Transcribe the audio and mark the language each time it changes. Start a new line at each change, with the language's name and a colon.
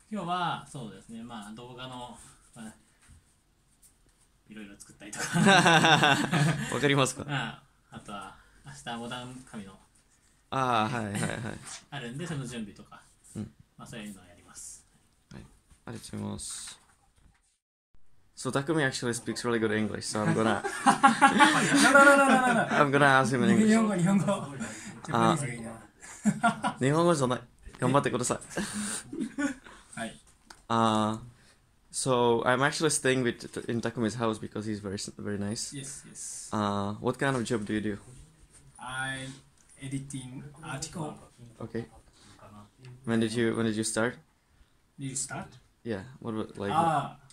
Japanese: 今日はそうですね、まあ動画の、まあ、いろいろ作ったりとかわかりますか、まあ、あとは明日モダン紙の、ああはいはいはいあるんで、その準備とか、うん、まあ、そういうのをやります。はい、ありがとうございます。
English: So Takumi actually speaks really good English, so I'm gonna I'm gonna ask him in English.
Japanese: 日本語日本語じゃない、頑張ってください。はい、
English: So I'm actually staying with in Takumi's house because he's very, very nice. Yes, yes. What kind of job do you do? I'm editing article. Okay. When did you start? Did you start? Yeah, what about like